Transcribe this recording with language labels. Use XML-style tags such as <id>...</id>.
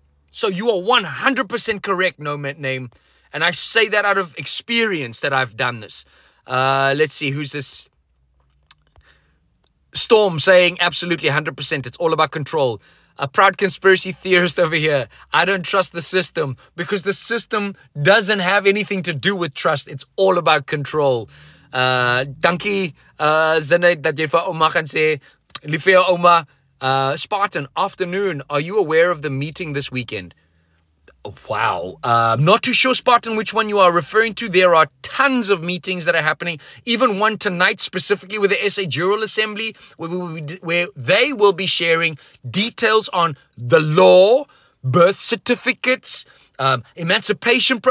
<en>So you are 100% correct, Nomad Name. And I say that out of experience that I've done this. Let's see, who's this? Storm saying, absolutely, 100%. It's all about control. A proud conspiracy theorist over here. I don't trust the system because the system doesn't have anything to do with trust. It's all about control.</en> <af>Dankie, Zenaid, dat jy vir ouma gaan sê. Liefie jou ouma. Spartan, afternoon.</af> <en>Are you aware of the meeting this weekend? Wow. Not too sure, Spartan, which one you are referring to. There are tons of meetings that are happening. Even one tonight, specifically with the SA Jural Assembly, where they will be sharing details on the law, birth certificates, emancipation.</en>